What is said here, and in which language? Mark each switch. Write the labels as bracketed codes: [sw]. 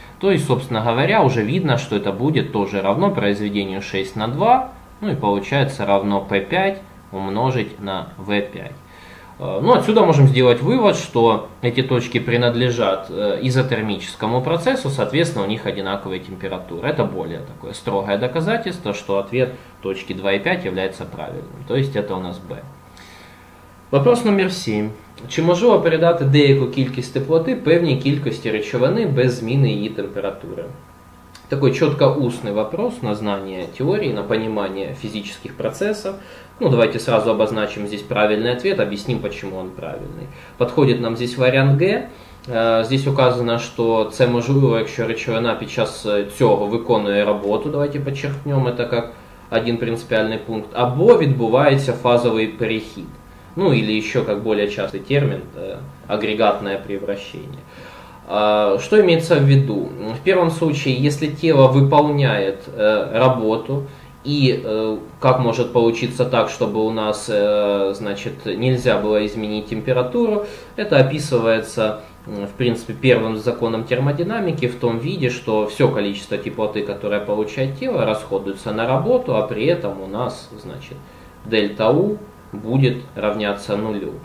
[ru] То есть, собственно говоря, уже видно, что это будет тоже равно произведению 6 на 2, ну и получается равно P5 умножить на V5. Ну, отсюда можем сделать вывод, что эти точки принадлежат изотермическому процессу, соответственно, у них одинаковые температуры. Это более такое строгое доказательство, что ответ точки 2 и 5 является правильным. То есть это у нас B. Вопрос номер 7. [uk] Чи можливо передати деяку кількість теплоти певній кількості речовини без зміни її температури? [ru] Такой четко устный вопрос на знание теории, на понимание физических процессов. Ну, давайте сразу обозначим здесь правильный ответ, объясним, почему он правильный. Подходит нам здесь вариант Г. Здесь указано, что [uk] С можливо, якщо речовина під час цього виконує роботу, [ru] давайте подчеркнем это как один принципиальный пункт, [uk] або відбувається фазовый перехід. [ru] Ну, или еще как более частый термин, агрегатное превращение. Что имеется в виду? В первом случае, если тело выполняет работу, и как может получиться так, чтобы у нас, значит, нельзя было изменить температуру, это описывается, в принципе, первым законом термодинамики в том виде, что все количество теплоты, которое получает тело, расходуется на работу, а при этом у нас, значит, дельта У будет равняться нулю.